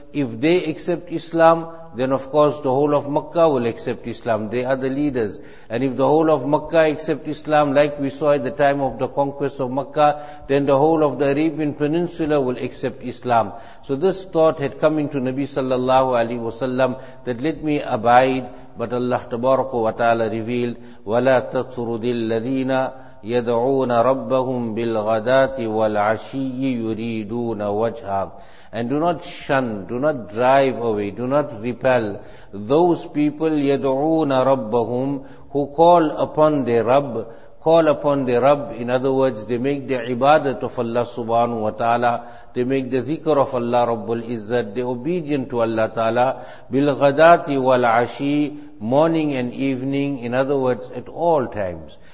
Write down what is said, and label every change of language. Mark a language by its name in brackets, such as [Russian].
[English] If they accept Islam, then of course the whole of Makkah will accept Islam. They are the leaders. And if the whole of Makkah accept Islam, like we saw at the time of the conquest of Makkah, then the whole of the Arabian Peninsula will accept Islam. So this thought had come into Nabi sallallahu alaihi wasallam that let me abide. But Allah tabaraka wa ta'ala revealed, [Arabic] وَلَا تَطْرُدِ الَّذِينَ يَدْعُونَ رَبَّهُمْ بِالْغَدَاتِ وَالْعَشِيِّ يُرِيدُونَ وَجْهًا. [English] And do not shun, do not drive away, do not repel those people, [Arabic] يَدْعُونَ رَبَّهُمْ, [English] who call upon their Rabb. Call upon their Rabb, in other words, they make the ibadat of Allah subhanahu wa ta'ala, they make the dhikr of Allah Rabbul Izzat, they obedient to Allah ta'ala, [Arabic] bil ghadati wal ashi, [English] morning and evening, in other words, at all times.